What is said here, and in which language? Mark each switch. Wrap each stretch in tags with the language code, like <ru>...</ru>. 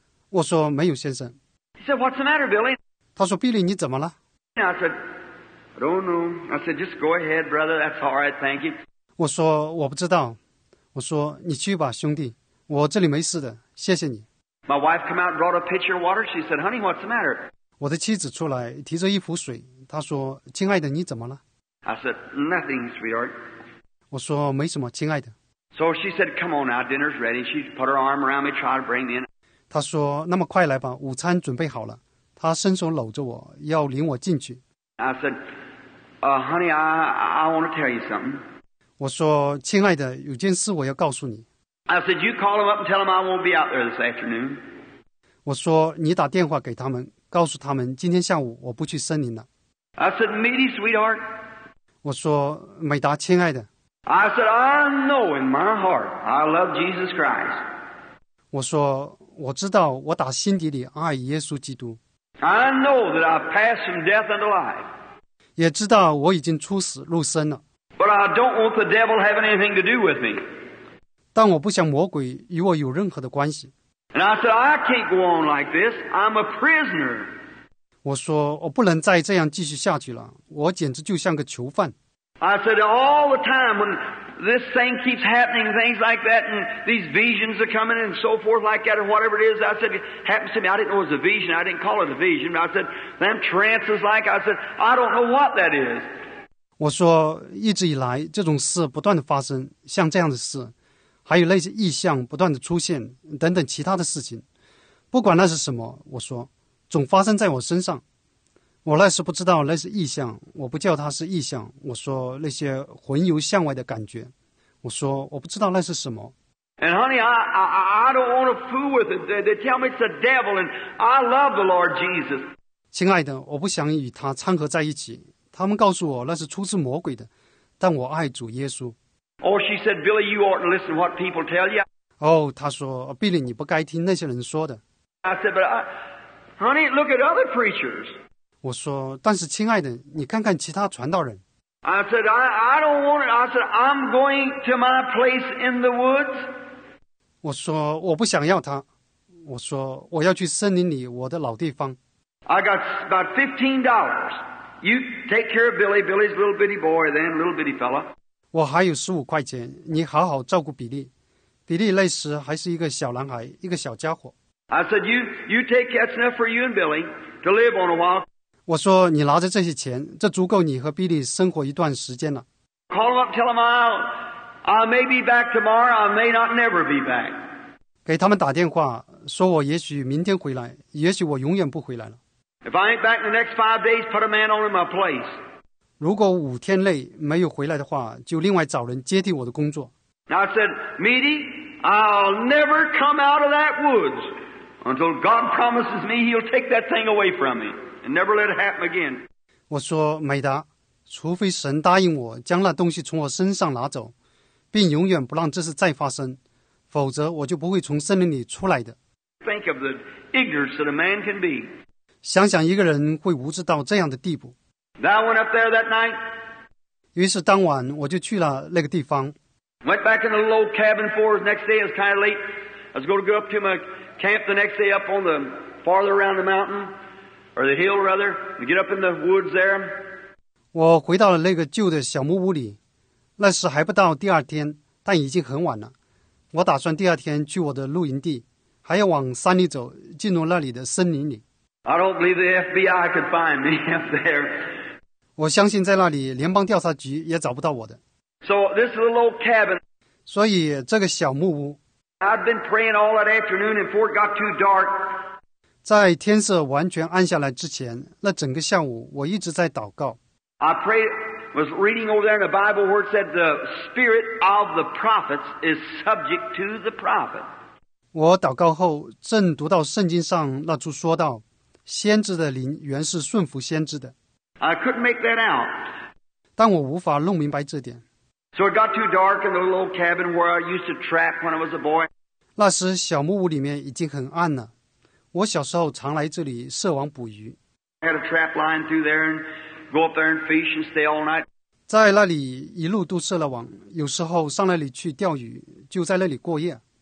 <zh>我说，没有，先生。</zh> <en>He said, What's the matter, Billy?</en> <zh>他说，比利，你怎么了？</zh> <en>I said, I don't know. I said, just go ahead, brother. That's all right, thank you.</en> <zh>我说，我不知道。我说，你去吧，兄弟，我这里没事的，谢谢你。</zh> <en>My wife came out and brought a pitcher of water. She said, Honey, what's the matter?</en> <zh>我的妻子出来，提着一壶水，她说，亲爱的，你怎么了？</zh> <en>I said, nothing, sweetheart.</en> <zh>我说没什么，亲爱的。</zh> <en>So she said, come on now, dinner's ready. She put her arm around me, tried to bring me in.</en> <zh>她说，那么快来吧，午餐准备好了。她伸手搂着我，要领我进去。</zh> <en>I said, honey, I want to tell you something.</en> <zh>我说，亲爱的，有件事我要告诉你。</zh> <en>I said, you call them up and tell them I won't be out there this afternoon.</en> <zh>我说你打电话给他们，告诉他们今天下午我不去森林了。</zh> <en>I said, meaty sweetheart.</en> <zh>我说美达亲爱的。</zh> <en>I said, I know in my heart I love Jesus Christ.</en> <zh>我说我知道我打心底里爱耶稣基督。</zh> <en>I know that I've passed from death unto life.</en> <zh>也知道我已经出死入生了。</zh> <en>But I don't want the devil having anything to do with me.</en> <zh>但我不想魔鬼与我有任何的关系。</zh> <en>And I said, I can't go on like this. I'm a prisoner.</en> <zh>我说我不能再这样继续下去了。我简直就像个囚犯。</zh> <en>I said, all the time when this thing keeps happening, things like that, and these visions are coming and so forth like that, or whatever it is, I said, it happens to me. I didn't know it was a vision. I didn't call it a vision. I said, them trances like, I said, I don't know what that is.</en> <zh>我说一直以来这种事不断地发生，像这样的事。还有类似异象不断的出现等等其他的事情，不管那是什么，我说总发生在我身上。我那时不知道那是异象，我不叫它是异象，我说那些魂游向外的感觉，我说我不知道那是什么。</zh> <en>And honey, I don't want to fool with it. They tell me it's the devil, and I love the Lord Jesus.</en> <zh>亲爱的，我不想与他掺和在一起，他们告诉我那是出自魔鬼的，但我爱主耶稣。</zh> <en>Oh, she said, Billy, you oughtn't listen to what people tell you.</en> <zh>Oh, 她说 ,Billy, 你不该听那些人说的。</zh> <en>I said, but honey, look at other preachers.</en> <zh>我说但是亲爱的你看看其他传道人。</zh> <en>I said, I don't want it. I said, I'm going to my place in the woods.</en> <zh>我说我不想要他。我说我要去森林里我的老地方。</zh> <en>I got about $15. You take care of Billy. Billy's little bitty boy then, little bitty fella.</en> <zh>我还有15块钱，你好好照顾比利。比利那时还是一个小男孩，一个小家伙。</zh> <en>I said, you take that's enough for you and Billy to live on a while.</en> <zh>我说你拿着这些钱，这足够你和比利生活一段时间了。</zh> <en>Call him up, tell him I may be back tomorrow, I may not never be back.</en> <zh>给他们打电话，说我也许明天回来，也许我永远不回来了。</zh> <en>If I ain't back in the next 5 days, put a man on in my place.</en> <zh>如果5天内没有回来的话，就另外找人接替我的工作。</zh> <en>I said, Meaty, I'll never come out of that woods until God promises me He'll take that thing away from me and never let it happen again.</en> <zh>我说，美达，除非神答应我将那东西从我身上拿走，并永远不让这事再发生，否则我就不会从森林里出来的。</zh> <en>Think of the ignorance that a man can be.</en> <zh>想想一个人会无知到这样的地步。</zh> <en>Then I went up there that night.</en> <zh>于是当晚我就去了那个地方。</zh> <en>Went back in the little old cabin for the next day. It was kind of late. I was going to go up to my camp the next day up on the farther around the mountain, or the hill rather, and get up in the woods there.</en> <zh>我回到了那个旧的小木屋里。那时还不到第二天，但已经很晚了。我打算第二天去我的露营地，还要往山里走，进入那里的森林里。</zh> <en>I don't believe the FBI could find me up there.</en> <zh>我相信在那里联邦调查局也找不到我的。</zh> <en>So this little old cabin.</en> <zh>所以这个小木屋。</zh> <en>I've been praying all that afternoon and before it got too dark.</en> <zh>在天色完全暗下来之前，那整个下午我一直在祷告。</zh> <en>I prayed, was reading over there in the Bible where it said the spirit of the prophets is subject to the prophet.</en> <zh>我祷告后正读到圣经上那处说道。先知的灵原是顺服先知的。</zh> <en>I couldn't make that out.</en> <zh>但我无法弄明白这点。</zh> <en>So it got too dark in the little cabin where I used to trap when I was a boy.</en> <zh>那时小木屋里面已经很暗了。我小时候常来这里射网捕鱼。</zh> <en>I had a trap line through there and go up there and fish and stay all night.</en> <zh>在那里一路都射了网，有时候上那里去钓鱼，就在那里过夜。</zh>